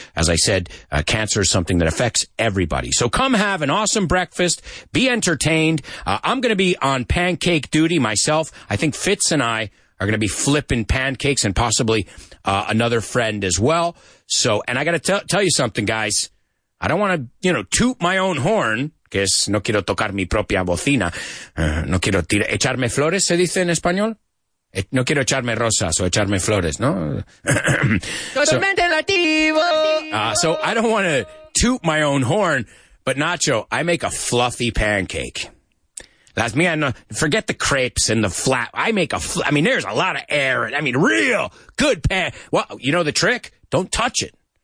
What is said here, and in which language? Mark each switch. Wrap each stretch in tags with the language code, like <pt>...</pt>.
<en>As I said, cancer is something that affects everybody. So come have an awesome breakfast. Be entertained. I'm going to be on pancake duty myself. I think Fitz and I are going to be flipping pancakes and possibly another friend as well. So, and I got to tell you something, guys. I don't want to, you know, toot my own horn.</en> <es>Que es, no quiero tocar mi propia bocina. No quiero tirar, echarme flores, se dice en español. No quiero echarme rosas o echarme flores, ¿no? Totalmente nativo.</es> <en>So I don't want to toot my own horn, but Nacho, I make a fluffy pancake. That's me. Forget the crepes and the flat. I make a I mean, there's a lot of air. I mean, real good pan. Well, you know the trick? Don't touch it.</en>